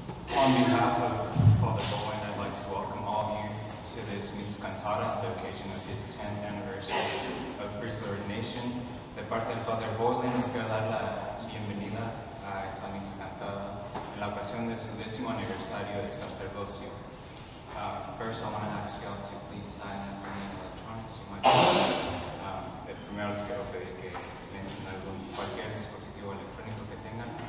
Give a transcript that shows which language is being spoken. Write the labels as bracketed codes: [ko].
[en] On behalf of Father Bowlin, I'd like to welcome all of you to this Missa Cantata, the occasion of his 10th anniversary of priestly ordination. [es] De parte de Father Bowlin, les quiero dar la bienvenida a esta Missa Cantata en la ocasión de su 10th aniversario de sacerdocio. [en] First, I want to ask you all to please silence any electronics you might have. [es] Primero, les quiero pedir que silencien algún cualquier dispositivo electrónico que tengan.